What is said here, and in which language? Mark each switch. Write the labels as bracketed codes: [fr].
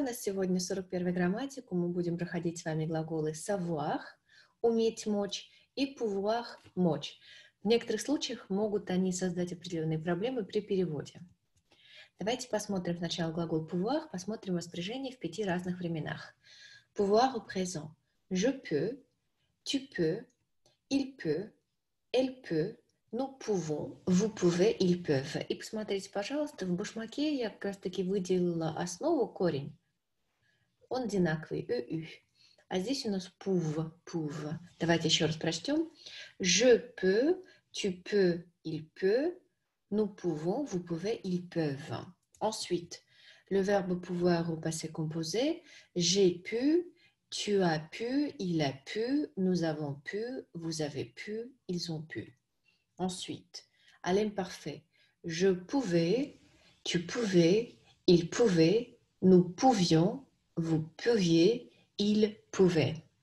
[ru] У нас сегодня 41-й грамматику. Мы будем проходить с вами глаголы savoir – уметь мочь и pouvoir – мочь. В некоторых случаях могут они создать определенные проблемы при переводе. Давайте посмотрим сначала глагол pouvoir, посмотрим воспряжение в пяти разных временах. [fr] Pouvoir au présent. Je peux, tu peux, il peut, elle peut. Nous pouvons, vous pouvez, ils peuvent. [ru] И посмотрите, пожалуйста, в башмаке я как раз-таки выделила основу, корень. Он одинаковый. Ü-ü. А здесь у нас pouvoir, pouvoir. Давайте еще раз прочтем. [fr] Je peux, tu peux, il peut. Nous pouvons, vous pouvez, ils peuvent. Ensuite, le verbe pouvoir au passé composé. J'ai pu, tu as pu, il a pu, nous avons pu, vous avez pu, ils ont pu. Ensuite, à l'imparfait, je pouvais, tu pouvais, il pouvait, nous pouvions, vous pouviez, il pouvait.